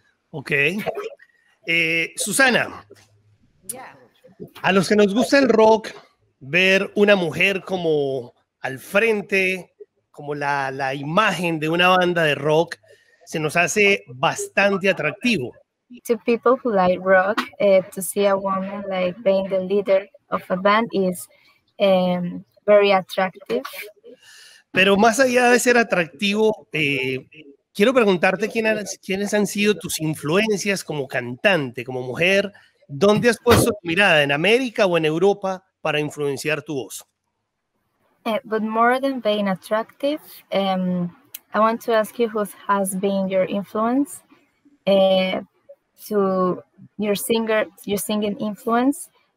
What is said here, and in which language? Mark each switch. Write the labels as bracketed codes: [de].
[en] Ok. Susana. Yeah. [es] A los que nos gusta el rock, ver una mujer como al frente, como la imagen de una banda de rock, se nos hace bastante atractivo. [en] To people who like rock, to see a woman like being the leader of a band is very attractive. [es] Pero más allá de ser atractivo, quiero preguntarte quiénes han sido tus influencias como cantante, como mujer. ¿Dónde has puesto tu mirada, en América o en Europa, para influenciar tu voz? [en] But more than being attractive, I want to ask you who has been your influence to your singer, your singing influence.